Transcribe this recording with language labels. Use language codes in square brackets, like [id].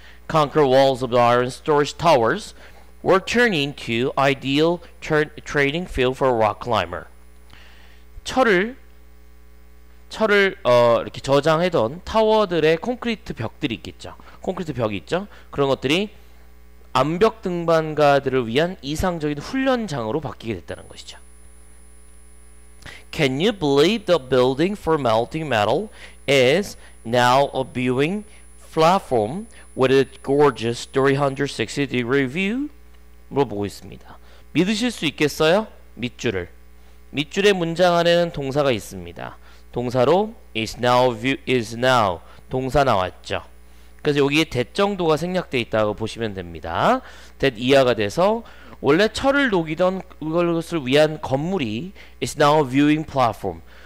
[en] Concrete walls of iron storage towers were turned into ideal training field for rock climber. [ko] 철을 이렇게 저장해둔 타워들의 콘크리트 벽들이 있겠죠. 콘크리트 벽이 있죠. 그런 것들이 암벽 등반가들을 위한 이상적인 훈련장으로 바뀌게 됐다는 것이죠. [en] Can you believe the building for melting metal is now a viewing platform with a gorgeous 360-degree view? [ko] 물어보고 있습니다. 믿으실 수 있겠어요? 밑줄을. 밑줄의 문장 안에는 동사가 있습니다. 동사로 is now 동사 나왔죠. 그래서 여기에 that 정도가 생략되어 있다고 보시면 됩니다. that 이하가 돼서 원래 철을 녹이던 그것을 위한 건물이 [en] is now a viewing platform.